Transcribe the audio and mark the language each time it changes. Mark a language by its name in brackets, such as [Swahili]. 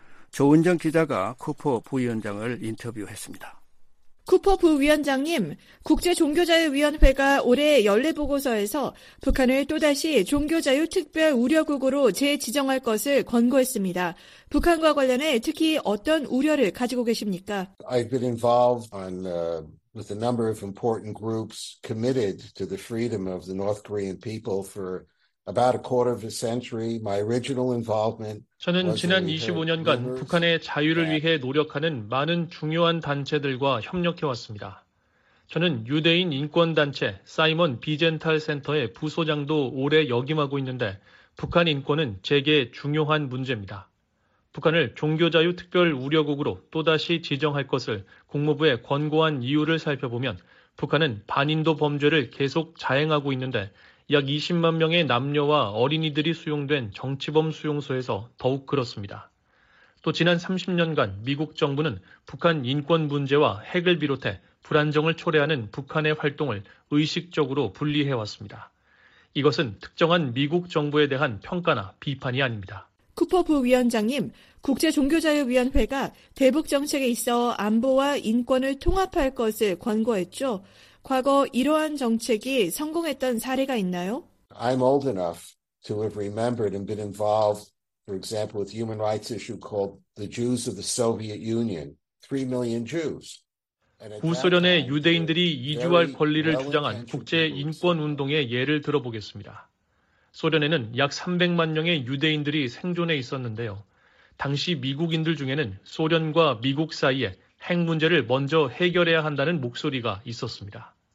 [Korean] 조은정 기자가 쿠퍼 부위원장을 인터뷰했습니다. 쿠퍼 부위원장님, 국제종교자유위원회가 올해 연례보고서에서 북한을 또다시 종교자유 특별 우려국으로 재지정할 것을 권고했습니다. 북한과 관련해 특히 어떤 우려를 가지고 계십니까? [English] I've been involved with a number of important groups committed to the freedom of the North Korean people for about a quarter of a century. My original involvement [Korean] 저는 지난 25년간 북한의 자유를 위해 노력하는 많은 중요한 단체들과 협력해왔습니다. 저는 유대인 인권단체 사이먼 비젠탈 센터의 부소장도 올해 역임하고 있는데 북한 인권은 제게 중요한 문제입니다. 북한을 종교자유 특별 우려국으로 또다시 지정할 것을 국무부에 권고한 이유를 살펴보면 북한은 반인도 범죄를 계속 자행하고 있는데 약 20만 명의 남녀와 어린이들이 수용된 정치범 수용소에서 더욱 그렇습니다. 또 지난 30년간 미국 정부는 북한 인권 문제와 핵을 비롯해 불안정을 초래하는 북한의 활동을 의식적으로 분리해왔습니다. 이것은 특정한 미국 정부에 대한 평가나 비판이 아닙니다. 쿠퍼 부위원장님, 국제종교자유위원회가 대북정책에 있어 안보와 인권을 통합할 것을 권고했죠. 과거 이러한 정책이 성공했던 사례가 있나요? [English] I'm old enough to have remembered and been involved, for example, with human rights issue called the Jews of the Soviet Union, 3 million Jews. [Korean] 구소련의 유대인들이 이주할 권리를 주장한 국제인권운동의 예를 들어보겠습니다. 소련에는 약 300만 명의 유대인들이 생존해 있었는데요. 당시 미국인들 중에는 소련과 미국 사이에 핵 문제를 먼저 해결해야 한다는 목소리가 있었습니다.